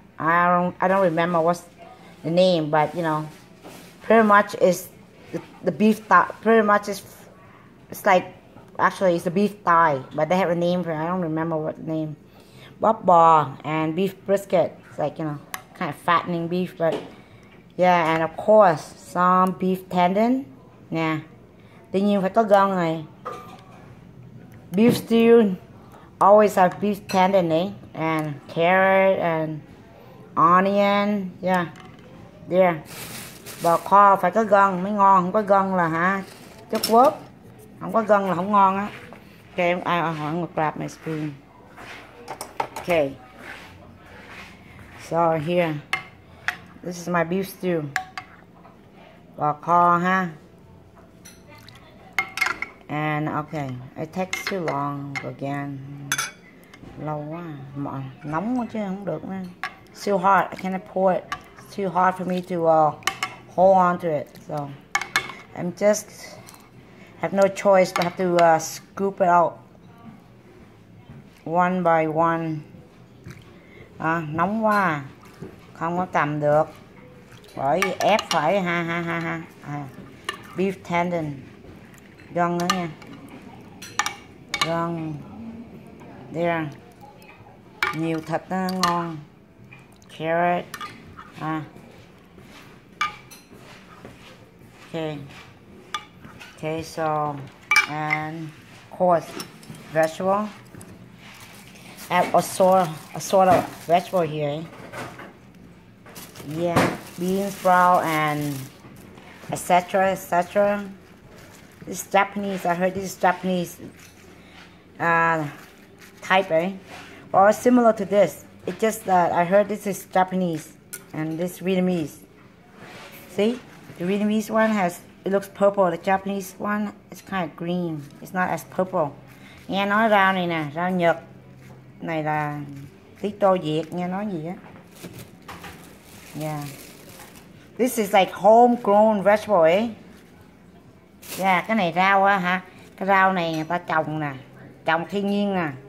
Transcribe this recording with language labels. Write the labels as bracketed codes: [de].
[en] I don't remember what's the name, but you know, pretty much is the beef thigh. Pretty much is, it's like, actually it's the beef thigh, but they have a name for it. I don't remember what name. Bắp bò and beef brisket. It's like, you know, kind of fattening beef, but yeah. And of course some beef tendon. Yeah, [vi] tuy nhiên phải có gân này. [en] Beef stew always have beef tendon, eh? And carrot and onion, yeah. There. [vi] Bò kho phải có gân, mới ngon. Không có gân là hả? Chất quốc. Không có gân là không ngon á. [en] Okay, I'm gonna grab my spoon. Okay. So here, this is my beef stew. [vi] Bò kho, ha. [en] Huh? And okay, it takes too long again. [vi] Lâu quá, nóng quá chứ không được nữa. [en] It's too hot, I cannot pour it. It's too hot for me to hold on to it. So I'm just have no choice but have to scoop it out one by one. [vi] Nóng quá, không có cầm được. Bởi ép phải ha ha ha ha. Beef tendon. Gân nữa nha. Gân. There. Nhiều thịt đó, ngon. Carrot. [en] Okay, so. And of course, vegetable. Add a sort of vegetable here, eh? Yeah. Beans, sprout, and etc. This is Japanese. I heard this is Japanese type, eh? Or well, similar to this. It's just that I heard this is Japanese and this Vietnamese. See? The Vietnamese one has, it looks purple. The Japanese one is kind of green. It's not as purple. [vi] Nghe nói rau này nè, rau Nhật. Này là tí tô Việt, nghe nói gì á. Yeah. [en] This is like homegrown vegetable, eh? Yeah, [vi] cái này rau á hả? Cái rau này người ta trồng nè, trồng thiên nhiên nè.